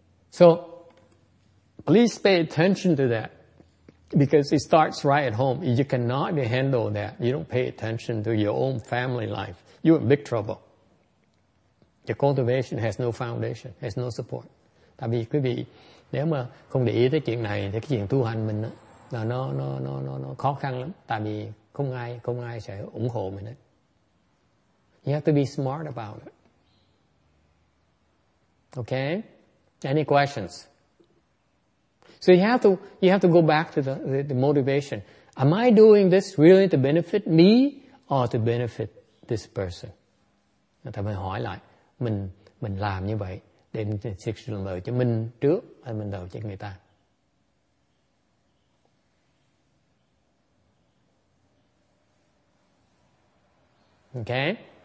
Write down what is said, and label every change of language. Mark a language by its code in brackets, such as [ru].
[en] So please pay attention to that, because it starts right at home. If you cannot handle that, you don't pay attention to your own family life, you're in big trouble. The cultivation has no foundation, has no support. [vi] Tại vì quý vị, nếu mà không để ý tới chuyện này, thì cái chuyện tu hành mình đó, là nó khó khăn lắm. Tại vì không ai sẽ ủng hộ mình hết. [en] You have to be smart about it. Okay? Any questions? So you have to go back to the motivation. Am I doing this really to benefit me or to benefit this person? [vi] Thì mình hỏi lại. Mình làm như vậy để thực sự lợi cho mình trước hay mình lợi cho người ta. [en] Okay.